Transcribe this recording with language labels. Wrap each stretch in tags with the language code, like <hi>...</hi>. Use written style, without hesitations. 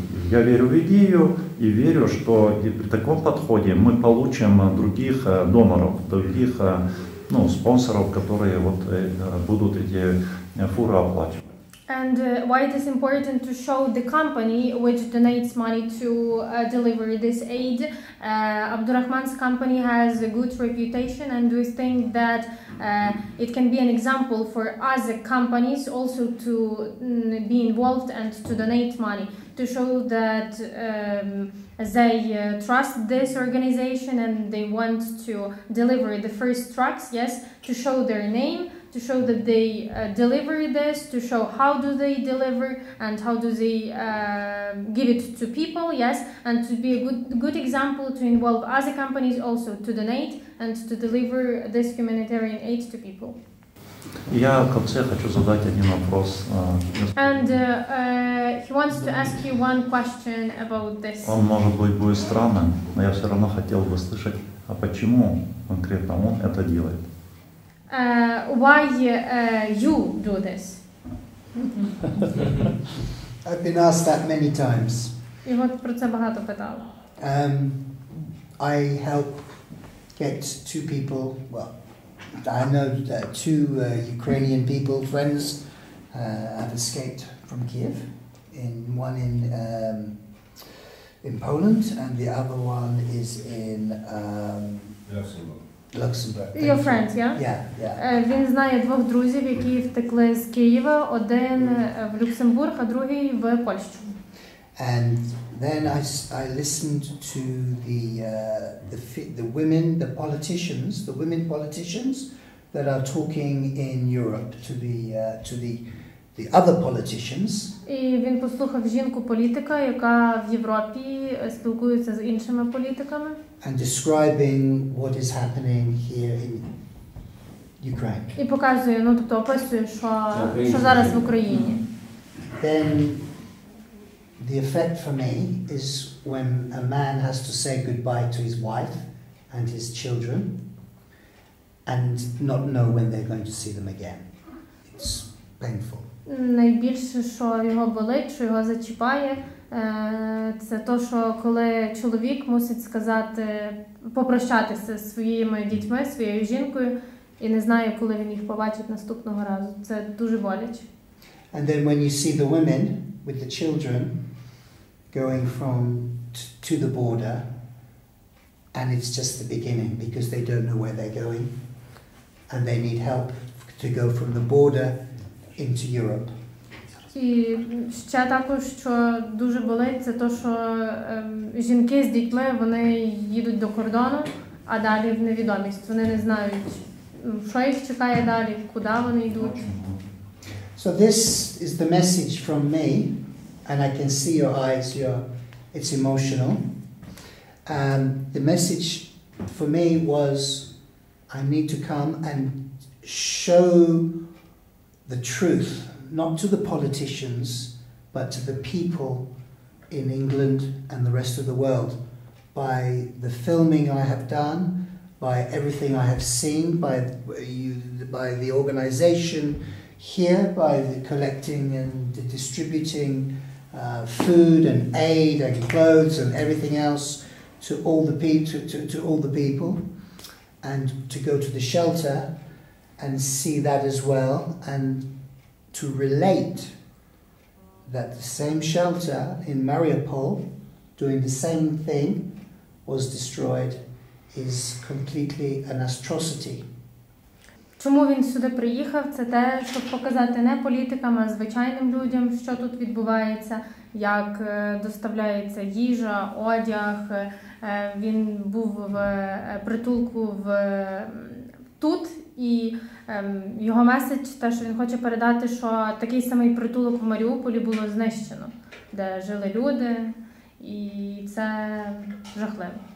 <ru>Я верю в идею и верю, что при таком подходе мы получим других доноров, других спонсоров, которые вот будут эти фуры оплачивать.</ru> <en>And why it is important to show the company which donates money to deliver this aid. Abdurrahman's company has a good reputation, and we think that it can be an example for other companies also to be involved and to donate money, to show that they trust this organization and they want to deliver the first trucks, yes, to show their name, to show that they deliver this, to show how do they deliver and how do they give it to people, yes, and to be a good example to involve other companies also to donate and to deliver this humanitarian aid to people.</en> <ru>Я в конце хочу задать один вопрос.</ru> <en>And he wants to ask you one question about this.</en> <ru>Он может быть будет странным, но я все равно хотел бы слышать, а почему конкретно он это делает?</ru> <en>Why you do this? I've been asked that many times.</en> <uk>Його про це багато питали.</uk> <en>I help get two people. Well, I know that two Ukrainian people, friends, have escaped from Kiev. One in Poland, and the other one is in. Luxembourg. Your friends, yeah? Yeah.</en> <uk>Він знає двох друзів, які втекли з Києва. Один в Люксембург, а другий в Польщу.</uk> <en>And then I listened to the women, the women politicians that are talking in Europe to the the other politicians.</en> <uk>І він послухав жінку політика, яка в Європі спілкується з іншими політиками.</uk> <en>And describing what is happening here in Ukraine.</en> <uk>І показує, ну, тобто описує, що зараз в Україні.</uk> <en>Then the effect for me is when a man has to say goodbye to his wife and his children and not know when they're going to see them again. It's painful.</en> <uk>Найбільше, що його болить, що його зачіпає, це то, що коли чоловік мусить сказати, попрощатися зі своїми дітьми, своєю жінкою і не знає, коли він їх побачить наступного разу. Це дуже боляче.</uk> <en>And then when you see the women with the children going from to the border, and it's just the beginning because they don't know where they're going and they need help to go from the border into Europe.</en> <uk>І ще також, що дуже болить, це то, що жінки з дітьми, вони їдуть до кордону, а далі в невідомість. Вони не знають, що їх чекає далі, куди вони йдуть.</uk> <en>So this is the message from me, and I can see your eyes, it's emotional. The message for me was, I need to come and show the truth, not to the politicians, but to the people in England and the rest of the world, by the filming I have done, by everything I have seen, by the organization, here by the collecting and the distributing food and aid and clothes and everything else to all the people and to go to the shelter and see that as well and to relate that the same shelter in Mariupol doing the same thing was destroyed is completely an atrocity.</en> <uk>Чому він сюди приїхав? Це те, щоб показати не політикам, а звичайним людям, що тут відбувається, як доставляється їжа, одяг. Він був в притулку тут, і його меседж, те, що він хоче передати, що такий самий притулок в Маріуполі було знищено, де жили люди, і це жахливо.</uk>